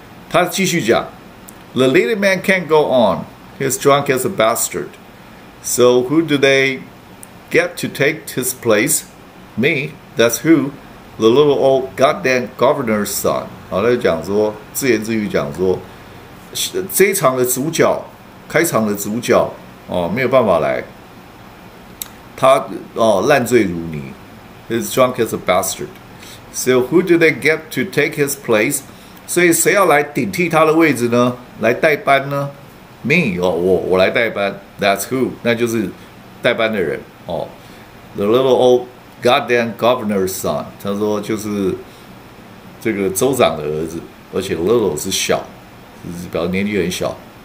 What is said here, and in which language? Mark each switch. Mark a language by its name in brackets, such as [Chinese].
[Chinese] 他继续讲 [English] ，The little man can't go on， he's drunk as a bastard， so who do they get to take his place？ Me， that's who， the little old goddamn governor's son。 [Chinese] 好，他就讲说，自言自语讲说。这一场的主角，开场的主角没有办法来，他烂醉如泥 ， [English] he's drunk as a bastard。 So who do they get to take his place？ [Chinese] 所以谁要来顶替他的位置呢？来代班呢 ？Me 我来代班 ， [English] That's who， [Chinese] 那就是代班的人 [English] The little old goddamn governor's son， [Chinese] 他说就是这个州长的儿子，而且 little 是小。表年纪很小。